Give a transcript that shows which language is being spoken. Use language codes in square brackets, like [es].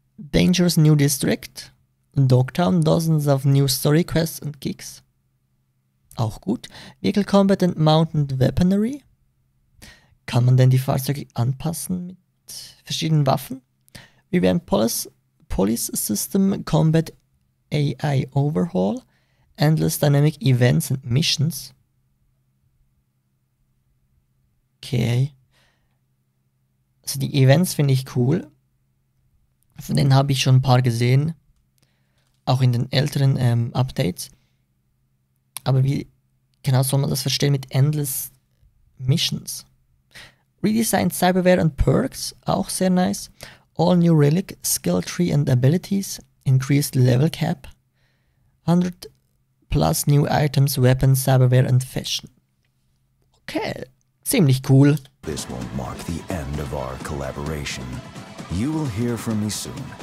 [en] Dangerous New District, Dogtown, dozens of new story quests and kicks. [de] Auch gut. [en] Vehicle Combat and Mounted Weaponry. [de] Kann man denn die Fahrzeuge anpassen mit verschiedenen Waffen? [en] Revamped Police System, Combat AI Overhaul, Endless Dynamic Events and Missions. Okay. [de] Also die Events finde ich cool. Von denen habe ich schon ein paar gesehen. Auch in den älteren Updates. Aber wie genau soll man das verstehen mit Endless Missions? [en] Redesigned Cyberware and Perks, [de] auch sehr nice. [en] All new Relic, Skill Tree and Abilities, Increased Level Cap. 100 plus new Items, Weapons, Cyberware and Fashion. [de] Okay, ziemlich cool. [en] This won't mark the end of our collaboration. You will hear from me soon.